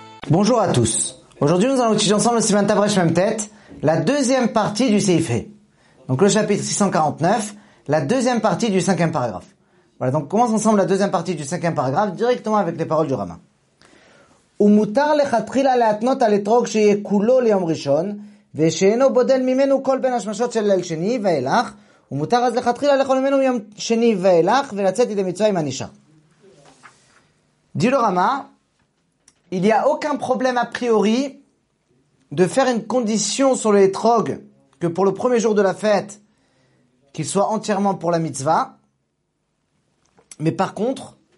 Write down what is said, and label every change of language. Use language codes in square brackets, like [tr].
[fr] Bonjour à tous. Aujourd'hui, nous allons étudier ensemble le Siman Tavresh Memtet, la deuxième partie du Seifé. Donc le chapitre 649, la deuxième partie du cinquième paragraphe. Voilà, donc commence ensemble la deuxième partie du cinquième paragraphe directement avec les paroles du Rama. [he] ומותר לחתחילה להתנות על אתרוג שיהיה כולו ליום ראשון, ושאינו בודל ממנו כל בין השמשות של ליל שני ואילך, ומותר אז לחתחילה לאכול ממנו מיום שני ואילך, ולצאת ידי מצווה עם הנשאר. [fr] דילו רמה, il y a aucun problème a priori de faire une condition sur le אתרוג, que pour le premier jour de la fête, qu'il soit entièrement pour la mitzvah, mais par contre,